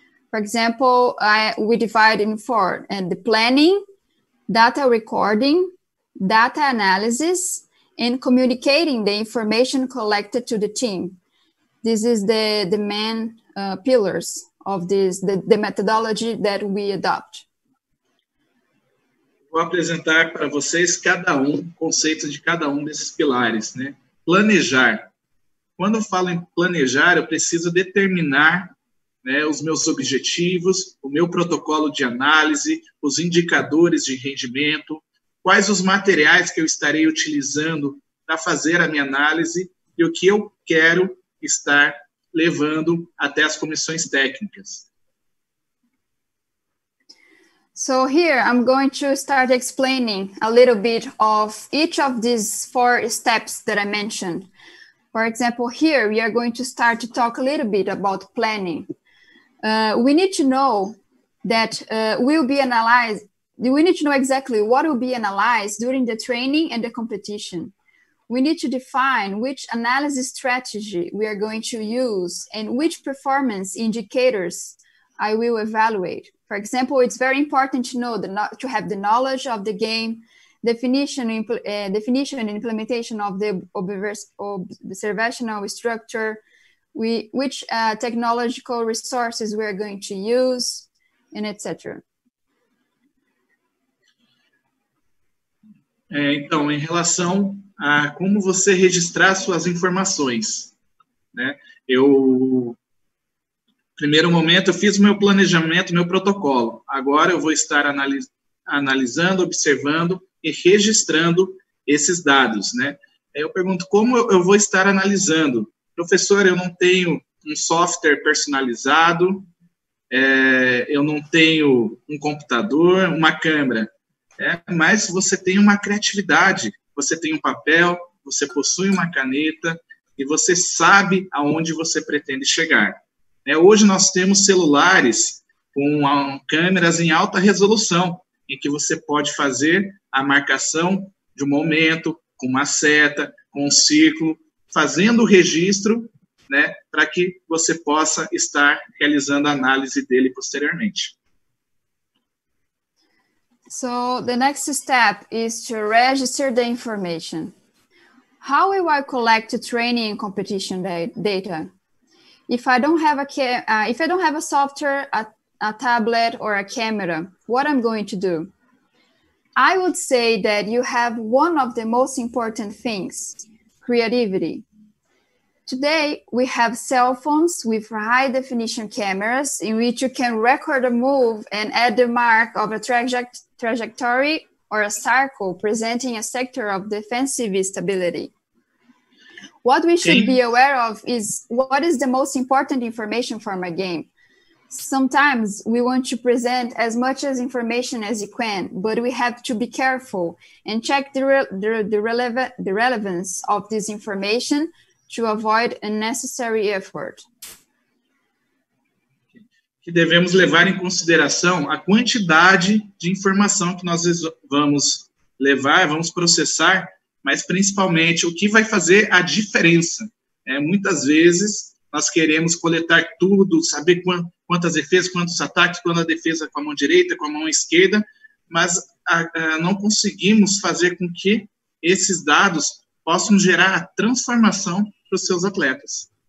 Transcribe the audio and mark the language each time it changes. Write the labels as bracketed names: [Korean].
[English] For example, we divide in four, and the planning, data recording, data analysis, and communicating the information collected to the team. This is the main pillars of this, the methodology that we adopt. [Portuguese] Vou apresentar para vocês cada um, conceito de cada um desses pilares, né? Planejar. Quando eu falo em planejar, eu preciso determinar, né, os meus objetivos, o meu protocolo de análise, os indicadores de rendimento, quais os materiais que eu estarei utilizando para fazer a minha análise e o que eu quero estar levando até as comissões técnicas. [English] So here I'm going to start explaining a little bit of each of these four steps that I mentioned. For example, here we are going to start to talk a little bit about planning. We need to know that we'll be analyzed we need to know exactly what will be analyzed during the training and the competition. We need to define which analysis strategy we are going to use and which performance indicators I will evaluate. For example, it's very important to know to have the knowledge of the game, definition and implementation of the observational structure, which technological resources we are going to use, and etc. [Portuguese] Então, em relação a como você registrar suas informações, né? Primeiro momento, eu fiz meu planejamento, meu protocolo. Agora eu vou estar analisando, observando e registrando esses dados, né? Aí eu pergunto, como eu vou estar analisando? Professor, eu não tenho um software personalizado, eu não tenho um computador, uma câmera. Mas você tem uma criatividade, você tem um papel, você possui uma caneta e você sabe aonde você pretende chegar. Hoje nós temos celulares com câmeras em alta resolução, em que você pode fazer a marcação de um momento, com uma seta, com um círculo, fazendo o registro, né, para que você possa estar realizando a análise dele posteriormente. [English] So, the next step is to register the information. How will I collect the training and competition data? If I don't have a software, a tablet, or a camera, what I'm going to do? I would say that you have one of the most important things, creativity. Today, we have cell phones with high-definition cameras in which you can record a move and add the mark of a trajectory or a circle presenting a sector of defensive stability. What we should be aware of is what is the most important information for my game. Sometimes we want to present as much as information as you can, but we have to be careful and check the relevance of this information to avoid unnecessary effort. [Portuguese] Que devemos levar em consideração a quantidade de informação que nós vamos levar, vamos processar, mas principalmente o que vai fazer a diferença. Muitas vezes nós queremos coletar tudo, saber quantas defesas, quantos ataques, quando a defesa com a mão direita, com a mão esquerda, mas não conseguimos fazer com que esses dados possam gerar a transformação para os seus atletas.